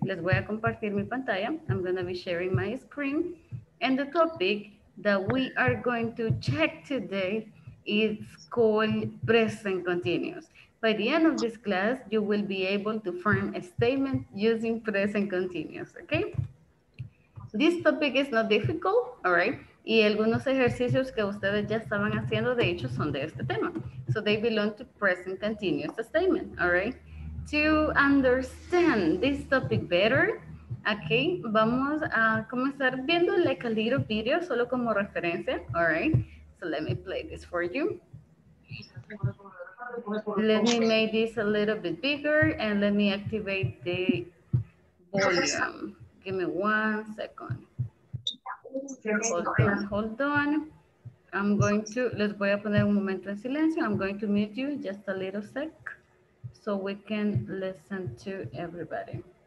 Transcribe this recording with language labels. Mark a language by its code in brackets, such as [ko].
[es] Les voy a compartir mi pantalla. [en] I'm going to be sharing my screen. And the topic that we are going to check today is called present continuous. By the end of this class, you will be able to form a statement using present continuous, okay? This topic is not difficult, all right? [es] Y algunos ejercicios que ustedes ya estaban haciendo, de hecho, son de este tema. [en] So they belong to present continuous statement, all right? To understand this topic better, okay, [es] vamos a comenzar viendo [en] like a little video, [es] solo como referencia, [en] all right? So let me play this for you. Let me make this a little bit bigger and let me activate the volume. Give me 1 second. Hold on. [es] Les voy a poner un momento en silencio. [en] I'm going to mute you just a little sec so we can listen to everybody.